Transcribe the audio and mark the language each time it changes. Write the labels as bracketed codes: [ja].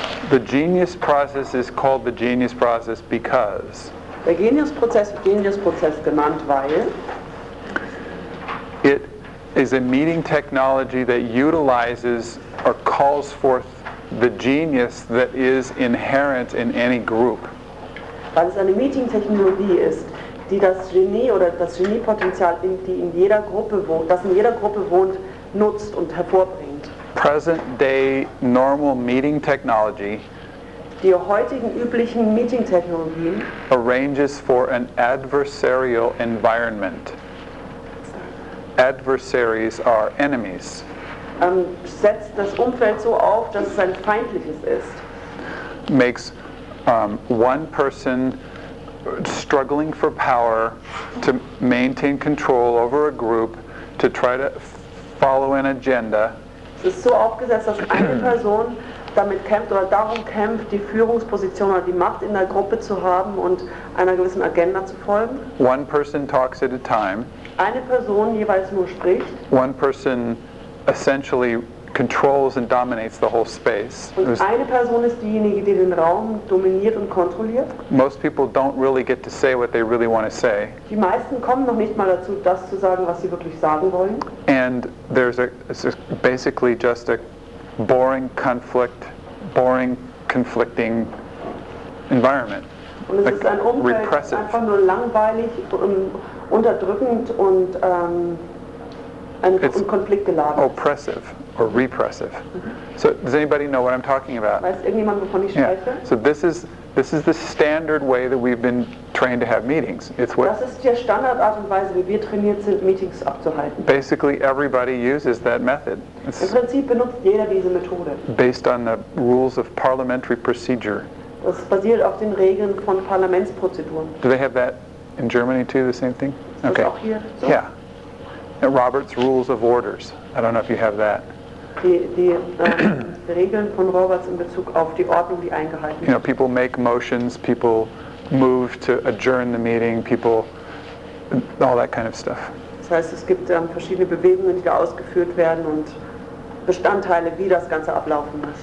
[en] The genius process is called the genius process because. [de] Der Genius Prozess wird Genius Prozess genannt, weil. [en] It is a meeting technology that utilizes or calls forth the genius that is inherent in any group. [de] Weil es eine Meeting-Technologie ist, die das Genie oder das Genie-Potenzial, die in jeder Gruppe wohnt, das in jeder Gruppe wohnt, nutzt und hervorbringt. [en] Present-day normal meeting technology. [de] Die heutigen üblichen Meeting-Technologien. [en] Arranges for an adversarial environment. Adversaries are enemies. [de] Setzt das Umfeld so auf, dass es ein feindliches ist. [en] Makes one person struggling for power to maintain control over a group to try to follow an agenda. [de] Es ist so aufgesetzt, dass eine Person damit kämpft oder darum kämpft, die Führungsposition oder die Macht in der Gruppe zu haben und einer gewissen Agenda zu folgen. [en] One person talks at a time. [de] Eine Person jeweils nur spricht. [en] One person essentially controls and dominates the whole space. [de] Und eine Person ist diejenige, die den Raum dominiert und kontrolliert. [en] Most people don't really get to say what they really want to say. [de] Die meisten kommen noch nicht mal dazu, das zu sagen, was sie wirklich sagen wollen. [en] And there's basically just a boring conflict, boring conflicting environment. [de] Und es like ist ein Umfeld, repressive. Einfach nur langweilig und unterdrückend und ein Konfliktgeladen. [en] Oppressive or repressive. So does anybody know what I'm talking about? [de] Weiß irgendjemand, wovon ich spreche? [en] So this is This is the standard way that we've been trained to have meetings. It's what. [de] Das ist die Standardart und Weise, wie wir trainiert sind, Meetings abzuhalten. [en] Basically, everybody uses that method. It's [de] im Prinzip benutzt jeder diese Methode. [en] Based on the rules of parliamentary procedure. [de] Das basiert auf den Regeln von Parlamentsprozeduren. [en] Do they have that in Germany too? The same thing. [de] Okay. Ist das auch hier so? [en] Yeah. And Robert's Rules of Orders. I don't know if you have that. [de] Die Regeln von Roberts in Bezug auf die Ordnung, die eingehalten wird. [en] You know, people make motions, people move to adjourn the meeting, people, all that kind of stuff. [de] Das heißt, es gibt verschiedene Bewegungen, die da ausgeführt werden und Bestandteile, wie das Ganze ablaufen muss.